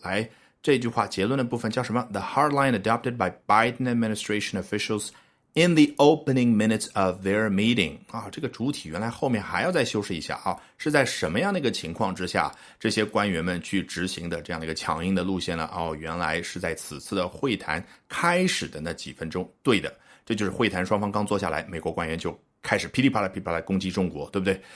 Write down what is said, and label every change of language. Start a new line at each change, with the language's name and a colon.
Chinese: 来，这句话结论的部分叫什么？
English: The hard line adopted by Biden administration officialsIn the opening minutes of their meeting.
Chinese: 啊，这个主体原来后面还要再修饰一下啊，是在什么样的一个情况之下，这些官员们去执行的这样的一个强硬的路线呢？哦，原来是在此次的会谈开始的那几分钟。对的，这就是会谈双方刚坐下来，美国官员就开始噼里啪啦噼里啪啦攻击中国，对不对？